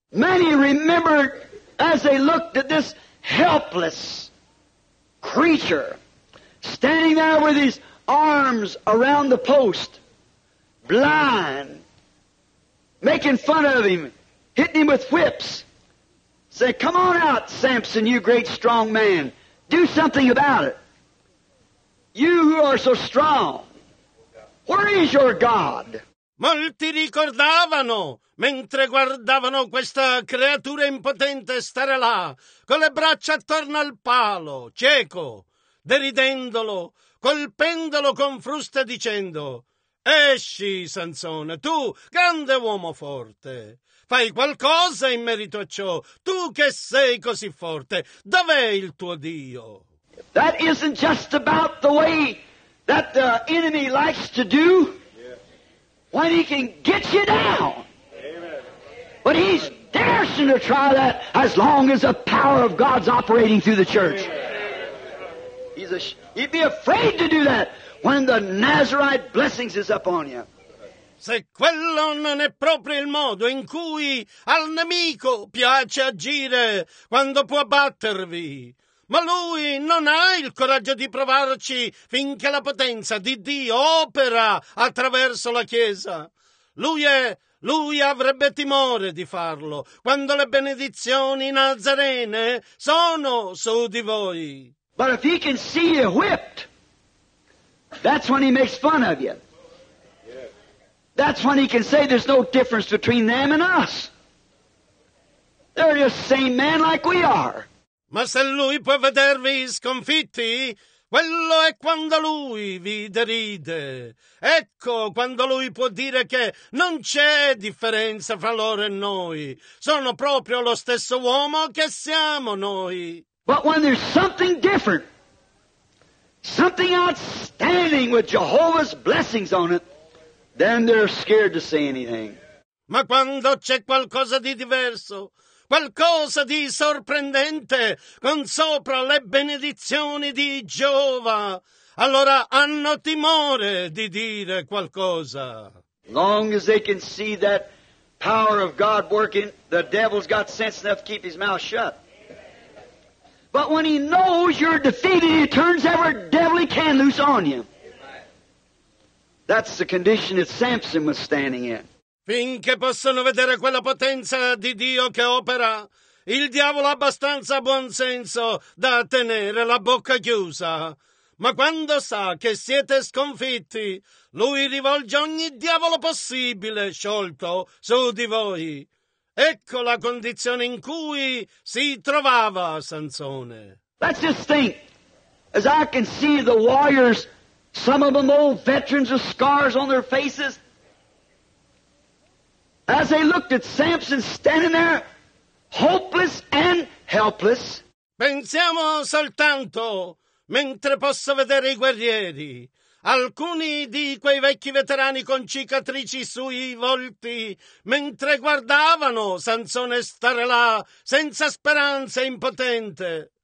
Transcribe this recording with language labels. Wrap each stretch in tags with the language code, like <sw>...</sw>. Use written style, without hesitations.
<en>Many remembered as they looked at this helpless creature standing there with his arms around the post, blind, making fun of him, hitting him with whips. Say, come on out, Samson, you great strong man. Do something about it. You who are so strong, where is your God?</en> <it>Molti ricordavano, mentre guardavano questa creatura impotente stare là, con le braccia attorno al palo, cieco, deridendolo, colpendolo con frusta dicendo, esci, Sansone, tu, grande uomo forte, fai qualcosa in merito a ciò, tu che sei così forte, dov'è il tuo Dio?</it> <en>That isn't just about the way that the enemy likes to do. When he can get you down. Amen. But he's daring to try that as long as the power of God's operating through the church. Amen. He'd be afraid to do that when the Nazarite blessings is upon you.</en> <it>Se quello non è proprio il modo in cui al nemico piace agire quando può battervi. Ma lui non ha il coraggio di provarci finché la potenza di Dio opera attraverso la Chiesa. Lui avrebbe timore di farlo quando le benedizioni nazarene sono su di voi.</it> <en>But if he can see you whipped, that's when he makes fun of you. That's when he can say there's no difference between them and us. They're just same men like we are.</en> <it>Ma se lui può vedervi sconfitti, quello è quando lui vi deride. Ecco quando lui può dire che non c'è differenza fra loro e noi. Sono proprio lo stesso uomo che siamo noi.</it> <en>But when there's something different, something outstanding with Jehovah's blessings on it, then they're scared to say anything.</en> <it>Ma quando c'è qualcosa di diverso, qualcosa di sorprendente con sopra le benedizioni di Giova, allora hanno timore di dire qualcosa.</it> <en>Long as they can see that power of God working, the devil's got sense enough to keep his mouth shut. But when he knows you're defeated, he turns every devil he can loose on you. That's the condition that Samson was standing in.</en> <it>Finché possono vedere quella potenza di Dio che opera, il diavolo ha abbastanza buon senso da tenere la bocca chiusa. Ma quando sa che siete sconfitti, lui rivolge ogni diavolo possibile sciolto su di voi. Ecco la condizione in cui si trovava Sansone.</it> <en>Let's just think, as I can see the warriors, some of them old veterans with scars on their faces, as they looked at Samson standing there, hopeless and helpless.</en> <it>Pensiamo soltanto, mentre posso vedere i guerrieri, alcuni di quei vecchi veterani con cicatrici sui volti, mentre guardavano Sansone stare là, senza speranza, impotente.</it>